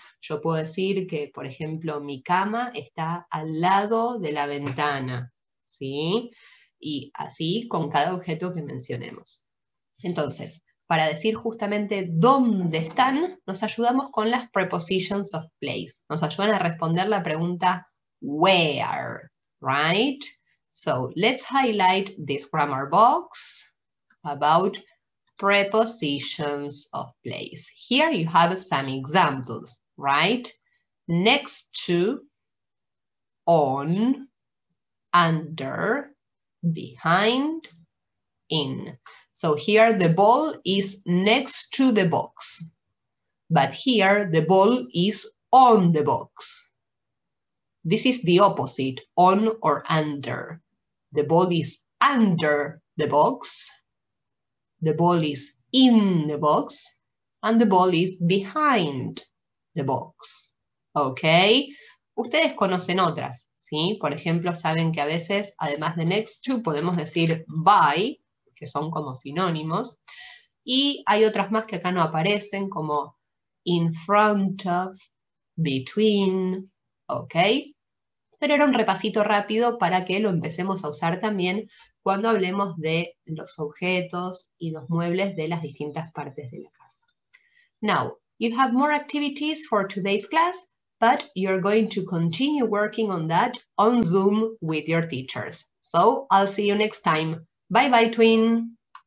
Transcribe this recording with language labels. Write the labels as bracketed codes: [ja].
[es] Yo puedo decir que, por ejemplo, mi cama está al lado de la ventana, ¿sí? Y así con cada objeto que mencionemos. Entonces, para decir justamente dónde están, nos ayudamos con las prepositions of place. Nos ayudan a responder la pregunta where, right? [en] So let's highlight this grammar box about prepositions of place. Here you have some examples, right? Next to, on, under, behind, in. So here the ball is next to the box, but here the ball is on the box. This is the opposite, on or under. The ball is under the box, the ball is in the box, and the ball is behind the box. [es] Okay? Ustedes conocen otras, ¿sí? Por ejemplo, saben que a veces, además de next to, podemos decir by, que son como sinónimos, y hay otras más que acá no aparecen, como [en] in front of, between, [es] okay? Pero era un repasito rápido para que lo empecemos a usar también cuando hablemos de los objetos y los muebles de las distintas partes de la casa. [en] Now, you have more activities for today's class. but you're going to continue working on that on Zoom with your teachers. So I'll see you next time. Bye bye, twin.